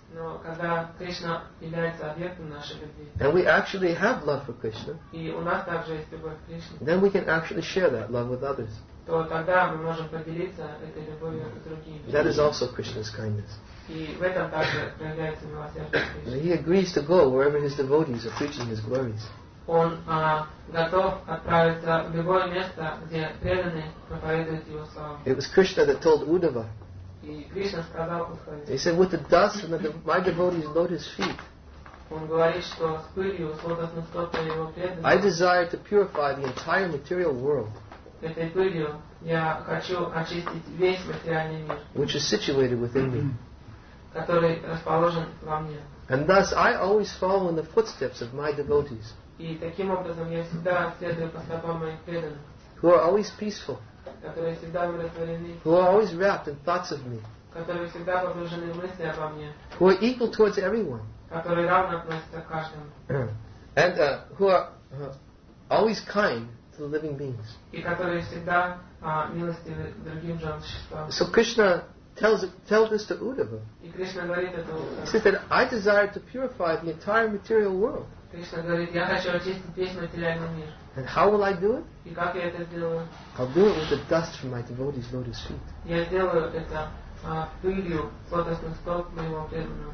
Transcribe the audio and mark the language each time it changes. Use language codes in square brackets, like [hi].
[ru] Но когда Кришна является объектом нашей любви. [en] And we actually have love for Krishna. [ru] И у нас также есть любовь к Кришне. [en] Then we can actually share that love with others. [ru] То тогда мы можем поделиться этой любовью с другими. [en] That is also Krishna's kindness. [ru] И в этом также проявляется милосердие Кришны. [en] He agrees to go wherever his devotees are preaching his glories. [ru] Он готов отправиться в любое место, где преданные проповедуют его славу. [en] It was Krishna that told Uddhava. [ru] И Кришна сказал Удхаве. [en] He said, with the dust from my devotees' lotus feet. [ru] Он говорит, что с пылью с лотосных стоп его преданных. [en] I desire to purify the entire material world. [ru] Этой пылью я хочу очистить весь материальный мир. [en] Which is situated within me. [ru] Который расположен во мне. [en] And thus I always follow in the footsteps of my devotees. [ru] И таким образом я всегда следую по стопам моих преданных. [en] Who are always peaceful. [ru] Которые всегда умиротворены. [en] Who are always wrapped in thoughts of me. [ru] Которые всегда погружены в мысли обо мне. [en] Who are equal towards everyone. [ru] Которые равны относятся к каждому. [en] And who are always kind to the living beings. [ru] И которые всегда милостивы другим живым существам. [en] So Krishna tells this to Uddhava. He says that I desire to purify the entire material world. And how will I do it? I'll do it with the dust from my devotees' lotus feet.